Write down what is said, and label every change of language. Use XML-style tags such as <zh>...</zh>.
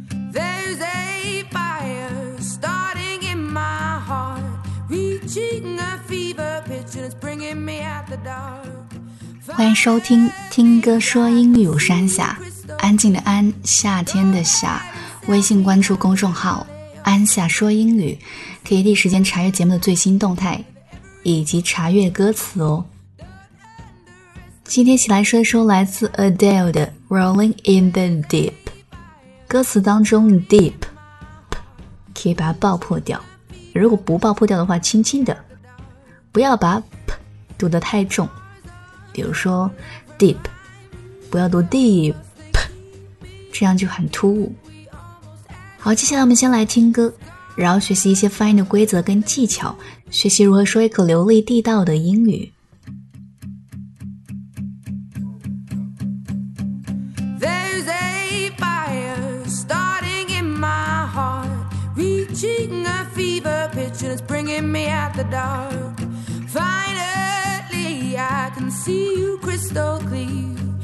<en>There's a fire starting in my heart, reaching a fever pitch, and it's bringing me out the dark.</en> <zh>欢迎收听听歌说英语，有山下，安静的安，夏天的夏。微信关注公众号安夏说英语，可以第一时间查阅节目的最新动态以及查阅歌词哦。今天起来说一说来自 Adele 的 Rolling in the Deep， 歌词当中 Deep 可以把它爆破掉，如果不爆破掉的话，轻轻的，不要把 P 读得太重，比如说 Deep 不要读 Deep， 这样就很突兀。好，接下来我们先来听歌，然后学习一些发音的规则跟技巧，学习如何说一口流利地道的英语。</zh> <en>There's a fire starting in my heart, reaching a fever pitch, and it's bringing me out the dark. Finally, I can see you crystal clear.</en>